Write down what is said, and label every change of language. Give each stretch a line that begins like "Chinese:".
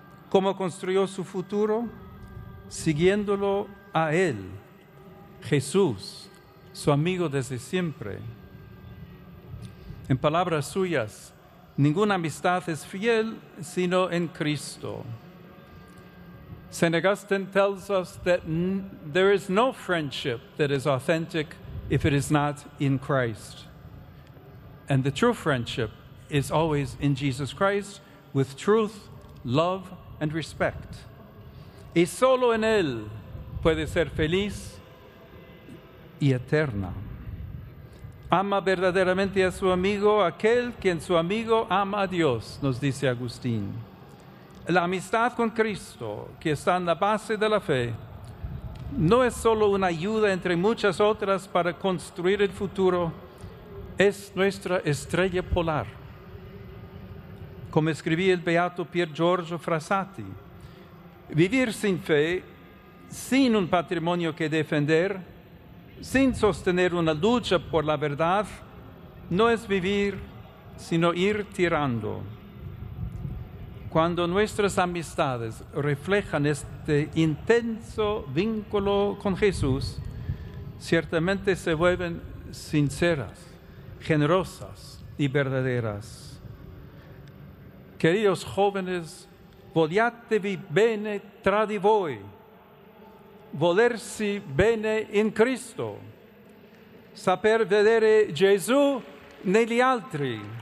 Spanish: ¿Cómo construyó su futuro? Siguiéndolo a Él, Jesús, su amigo desde siempre. En palabras suyas, ninguna amistad es fiel sino en Cristo.
English: St. Augustine tells us that there is no friendship that is authentic if it is not in Christ. And the true friendship is always in Jesus Christ, with truth, love, and respect.
Spanish: Y solo en Él puede ser feliz y eterna. Ama verdaderamente a su amigo aquel quien su amigo ama a Dios, nos dice Agustín. La amistad con Cristo, que está en la base de la fe, no es solo una ayuda entre muchas otras para construir el futuro, es nuestra estrella polar. Como escribía el beato Pier Giorgio Frassati, vivir sin fe, sin un patrimonio que defender, sin sostener una lucha por la verdad, no es vivir, sino ir tirando. Cuando nuestras amistades reflejan este intenso vínculo con Jesús, ciertamente se vuelven sinceras, generosas y verdaderas. Queridos jóvenes,
Italian: voliatevi bene tra di voi. Volersi bene in Cristo. Saper vedere Gesù negli altri.